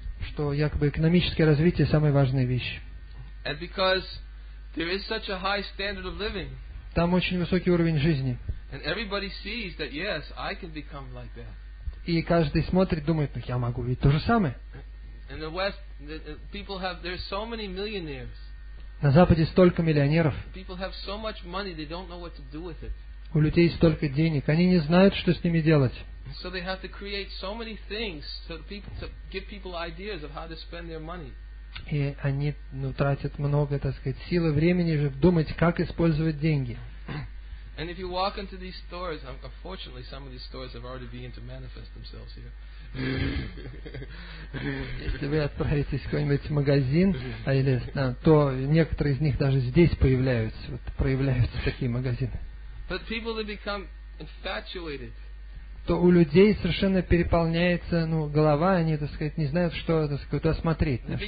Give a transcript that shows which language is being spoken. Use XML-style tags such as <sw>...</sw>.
<ru>что якобы экономическое развитие самая важная вещь.</ru> <en>And because there is such a high standard of living.</en> <ru>Там очень высокий уровень жизни.</ru> <en>And everybody sees that, yes, I can become like that.</en> <ru>И каждый смотрит, думает, ну, я могу ведь то же самое.</ru> <en>In the West, people have, there's so many millionaires.</en> <ru>На Западе столько миллионеров.</ru> <en>People have so much money, they don't know what to do with it.</en> <ru>У людей столько денег, они не знают, что с ними делать.</ru> <en>So they have to create so many things to give people ideas of how to spend their money.</en> <ru>И они, ну, тратят много, так сказать, силы, времени, чтобы думать, как использовать деньги.</ru> <en>And if you walk into these stores, unfortunately, some of these stores have already begun to manifest themselves here.</en> <ru>Если вы отправитесь в какой-нибудь магазин, то некоторые из них даже здесь появляются, вот, проявляются такие магазины.</ru> <en>But people that become infatuated.</en> <ru>То у людей совершенно переполняется, ну, голова, они, так сказать, не знают, что, так сказать, куда смотреть.</ru>